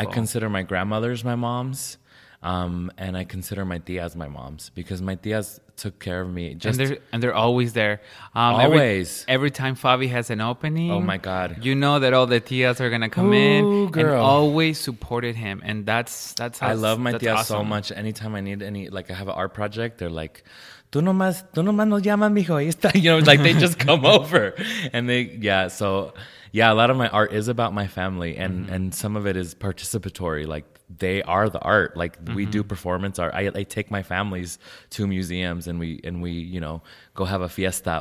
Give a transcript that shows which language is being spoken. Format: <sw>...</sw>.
<en>I consider my grandmothers my moms, and I consider my tías my moms, because my tías took care of me. And they're always there. Always. Every time Fabi has an opening... Oh, my God. You know that all the tías are going to come Ooh, in. Girl. And always supported him. And that's I love my tías awesome. So much. Anytime I need any... Like, I have an art project, they're like...</en> <es>Tú nomás nos llamas, mijo.</es> <en>You know, like, they just come over. And they, yeah, so, yeah, a lot of my art is about my family. And, mm-hmm. and some of it is participatory. Like, they are the art. Like, mm-hmm. we do performance art. I take my families to museums and we, you know, go have a fiesta.</en>